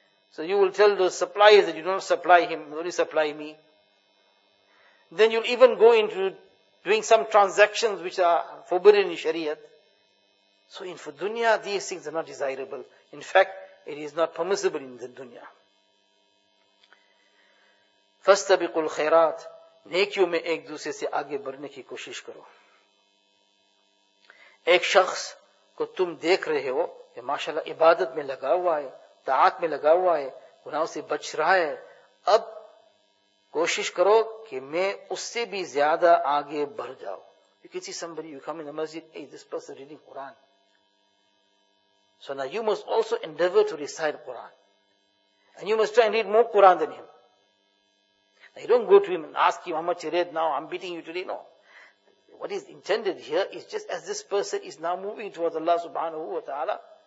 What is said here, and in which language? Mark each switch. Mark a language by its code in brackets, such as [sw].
[en] So you will tell those suppliers that you don't supply him, only supply me. Then you'll even go into doing some transactions which are forbidden in Shariah. So in for dunya, these things are not desirable. In fact, it is not permissible in the dunya. [ar] فَاسْتَبِقُوا الْخَيْرَاتِ. [ur] نیکیوں میں ایک دوسرے سے آگے بڑھنے کی کوشش کرو. ایک شخص کو تم دیکھ رہے ہو کہ ماشاءاللہ عبادت میں لگا ہوا ہے, طاعت میں لگا ہوا ہے, گناہوں سے بچ رہا ہے, اب کوشش کرو کہ میں اس سے بھی زیادہ آگے بڑھ جاؤ. [en] You can see somebody, you come in the masjid, hey, this person reading Quran. So now you must also endeavor to recite Quran. And you must try and read more Quran than him. Now you don't go to him and ask him how much you read now, I'm beating you today, no. What is intended here is just as this person is now moving towards Allah subhanahu wa ta'ala,